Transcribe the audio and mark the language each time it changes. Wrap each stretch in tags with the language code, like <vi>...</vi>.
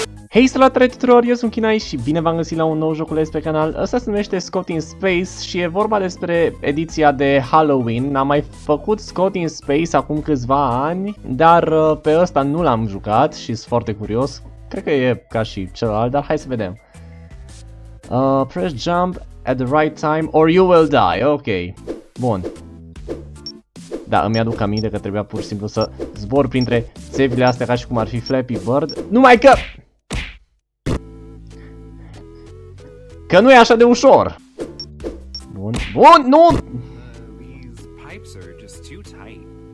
<ro>Hei, salut la tuturor, eu sunt Kinai și bine v-am găsit la un nou joculeț pe canal. Ăsta se numește Scott in Space și e vorba despre ediția de Halloween. N-am mai făcut Scott in Space acum câțiva ani, dar pe ăsta nu l-am jucat și sunt foarte curios. Cred că e ca și celălalt, dar hai să vedem.</ro> <en>Press jump at the right time or you will die.</en> <ro>Ok, bun. Da, îmi aduc aminte că trebuia pur și simplu să zbor printre țevile astea ca și cum ar fi Flappy Bird. Numai că... că nu e așa de ușor. Bun, bun, nu!</ro> <en>These pipes are just too tight.</en>